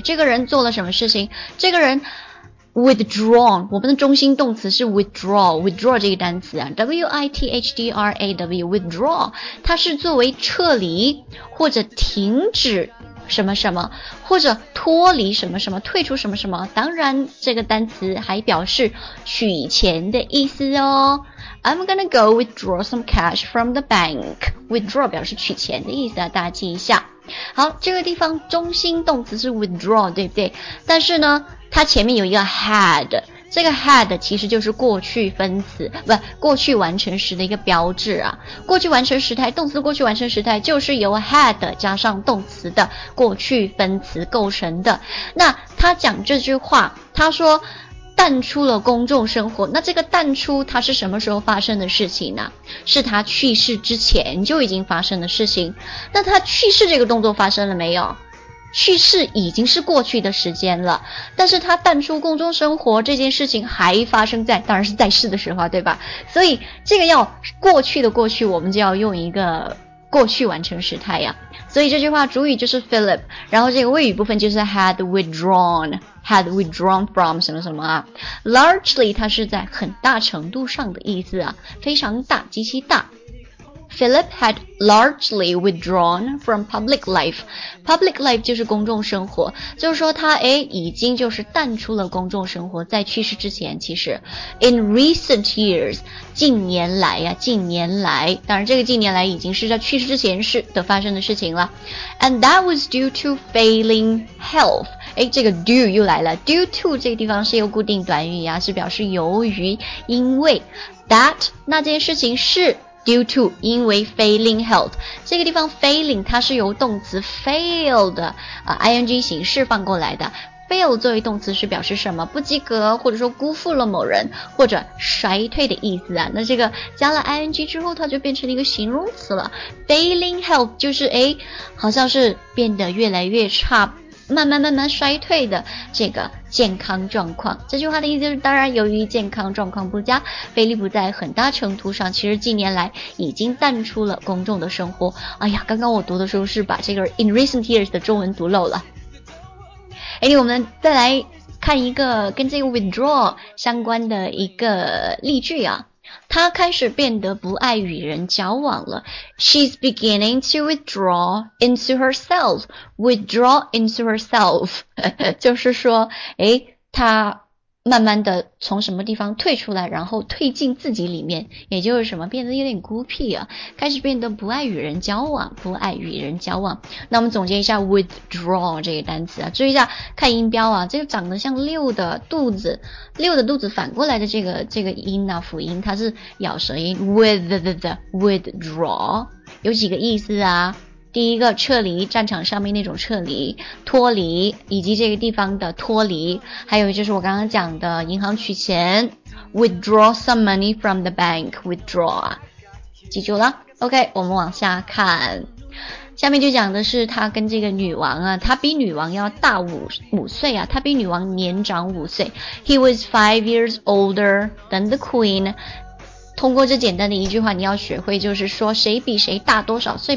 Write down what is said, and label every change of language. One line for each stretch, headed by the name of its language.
Chinese: 这个人做了什么事情，这个人withdrawn， 我们的中心动词是 withdraw 这个单词啊， W-I-T-H-D-R-A-W withdraw， 它是作为撤离或者停止什么什么，或者脱离什么什么，退出什么什么，当然这个单词还表示取钱的意思哦。
English: I'm gonna go withdraw some cash from the bank， withdraw
Chinese: 表示取钱的意思啊，大家记一下。好，这个地方中心动词是 withdraw， 对不对？但是呢它前面有一个 had， 这个 had 其实就是过去分词，不，过去完成时的一个标志啊。过去完成时态，动词过去完成时态就是由 had 加上动词的过去分词构成的。那他讲这句话，他说淡出了公众生活，那这个淡出它是什么时候发生的事情呢？是他去世之前就已经发生的事情。那他去世这个动作发生了没有？去世已经是过去的时间了，但是他淡出公众生活这件事情还发生在，当然是在世的时候，对吧？所以这个要过去的过去，我们就要用一个过去完成时态呀。所以这句话主语就是 Philip， 然后这个谓语部分就是
English: had withdrawn from
Chinese: 什么什么啊。 largely 它是在很大程度上的意思啊，非常大，极其大。
English: Philip had largely withdrawn from public life.
Chinese: Public life 就是公众生活，就是说他诶已经就是淡出了公众生活，在去世之前。其实
English: in recent years，
Chinese: 近年来啊，近年来，当然这个近年来已经是在去世之前是的发生的事情了。
English: And that was due to failing health.
Chinese: 诶这个 due 又来了， due to 这个地方是一个固定短语啊，是表示由于，因为 that 那件事情是due to， 因为 failing health， 这个地方 failing 它是由动词 failed、ing 形式放过来的。 fail 作为动词是表示什么？不及格，或者说辜负了某人，或者衰退的意思啊。那这个加了 ing 之后它就变成了一个形容词了。 failing health 就是诶好像是变得越来越差，慢慢慢慢衰退的这个健康状况。这句话的意思就是，当然由于健康状况不佳，菲利普在很大程度上其实近年来已经淡出了公众的生活。哎呀，刚刚我读的时候是把这个
English: in recent years
Chinese: 的中文读漏了。 anyway， 我们再来看一个跟这个 withdraw 相关的一个例句啊。他开始变得不爱与人交往了。
English: She's beginning to withdraw into herself. Withdraw into herself
Chinese: 就是说诶他慢慢的从什么地方退出来，然后退进自己里面，也就是什么变得有点孤僻啊，开始变得不爱与人交往，不爱与人交往。那我们总结一下 withdraw 这个单词啊，注意一下看音标啊，这个长得像六的肚子，六的肚子反过来的这个音啊，辅音它是咬舌音 withdraw， 有几个意思啊。第一个撤离，战场上面那种撤离，脱离，以及这个地方的脱离，还有就是我刚刚讲的银行取钱
English: withdraw some money from the bank，
Chinese: withdraw， 记住了。 OK， 我们往下看，下面就讲的是他跟这个女王啊，他比女王要大五岁啊，他比女王年长五岁。
English: He was 5 years older than the queen。
Chinese: 通过这简单的一句话，你要学会就是说谁比谁大多少岁。